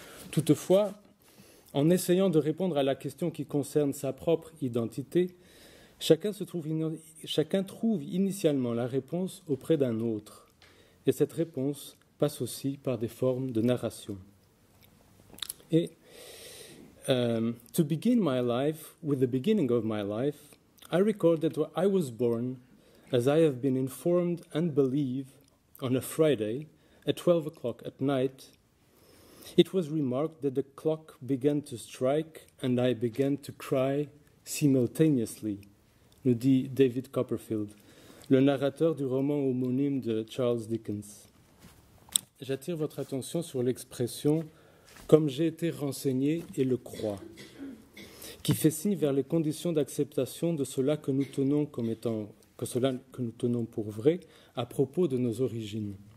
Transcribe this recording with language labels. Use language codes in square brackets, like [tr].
[fr] Toutefois, en essayant de répondre à la question qui concerne sa propre identité, chacun trouve initialement la réponse auprès d'un autre, et cette réponse passe aussi par des formes de narration. [en] Et « To begin my life with the beginning of my life, I recorded that I was born, as I have been informed and believe, on a Friday at 12 o'clock at night. It was remarked that the clock began to strike and I began to cry simultaneously », [fr] nous dit David Copperfield, le narrateur du roman homonyme de Charles Dickens. J'attire votre attention sur l'expression « comme j'ai été renseigné et le crois », qui fait signe vers les conditions d'acceptation de cela que nous tenons comme étant, que cela que nous tenons pour vrai à propos de nos origines.